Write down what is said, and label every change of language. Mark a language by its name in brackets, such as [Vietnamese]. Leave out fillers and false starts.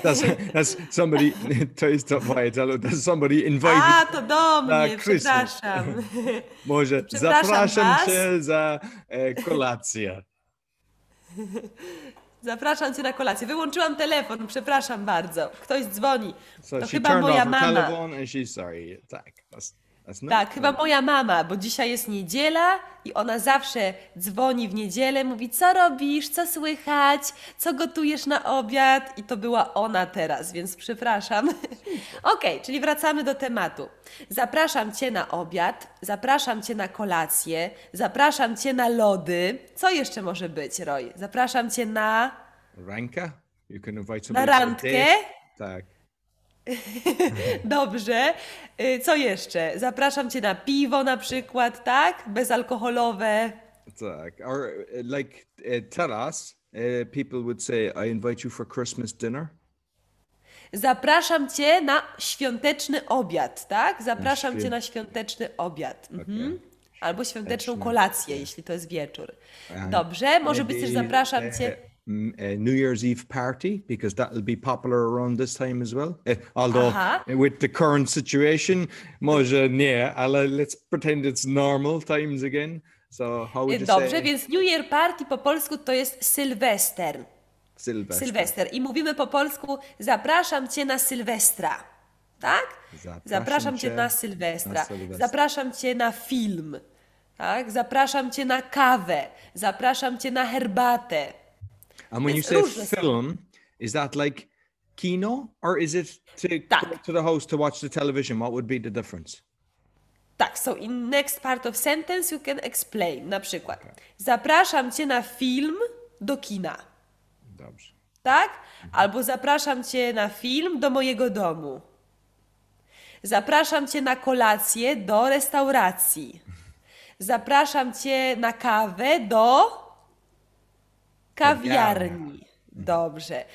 [English] That's somebody, [Polish] to jest to moje, [English] that's somebody invited. [Polish] A, to do mnie, przepraszam. Może przepraszam was. Cię za kolację. Zapraszam cię na kolację. Wyłączyłam telefon, przepraszam bardzo. Ktoś dzwoni. [English] So [Polish] to chyba moja mama. [English] She turned off her telephone and she's sorry. [Polish] Tak, [English] that's [Polish] tak, chyba moja mama, bo dzisiaj jest niedziela i ona zawsze dzwoni w niedzielę, mówi co robisz, co słychać, co gotujesz na obiad i to była ona teraz, więc przepraszam. Okej, czyli wracamy do tematu. Zapraszam cię na obiad, zapraszam cię na kolację, zapraszam cię na lody. Co jeszcze może być, Roy? Zapraszam cię na... Rękę? [English] You can invite somebody [Polish] na randkę? Tak. Dobrze. Co jeszcze? Zapraszam cię na piwo na przykład, tak? Bezalkoholowe. Tak. [English] Or like [Polish] teraz [English] people would say I invite you for Christmas dinner. [Polish] Zapraszam cię na świąteczny obiad, tak? Zapraszam cię na świąteczny obiad. Mhm. [English] Okay. [Polish] Albo świąteczną kolację, jeśli to jest wieczór. [English] And [Polish] Dobrze, może być też zapraszam cię. [English] New Year's Eve party, because that will be popular around this time as well. Although with the current situation, [Polish] może nie, [English] ale let's pretend it's normal times again. So how would you [Polish] Dobrze, [English] say? [Polish] Więc [English] New Year party [Polish] po polsku to jest Sylwester. Sylwester. Sylwester. I mówimy po polsku, zapraszam cię na Sylwestra. Tak? Zapraszam cię na Sylwestra. Zapraszam cię na film. Tak? Zapraszam cię na kawę. Zapraszam cię na herbatę. [English] And when you say film, is that like kino or is it to [Polish] tak. [English] go to the house to watch the television? What would be the difference? [Polish] Tak, [English] so in next part of sentence you can explain. [Polish] Na przykład, zapraszam cię na film do kina. Dobrze. Tak? Albo zapraszam cię na film do mojego domu. Zapraszam cię na kolację do restauracji. Zapraszam cię na kawę do kawiarni. Dobrze.